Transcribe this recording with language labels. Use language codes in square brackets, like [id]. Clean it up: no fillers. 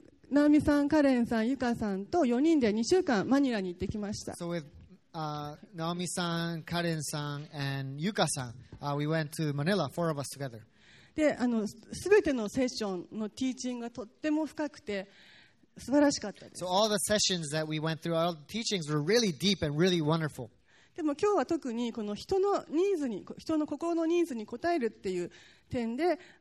[ja] ナオミさん、カレンさん、ユカさんと4人で2週間マニラに行ってきました。 [en] So with ナオミさん、カレンさん and ユカさん、we went to Manila, four of us together. [ja] で、全てのセッションのティーチングがとっても深くて素晴らしかったです。 [en] So all the sessions that we went through, all the teachings were really deep and really wonderful. [ja] でも今日は特にこの人のニーズに人の心のニーズに応えるっていう点で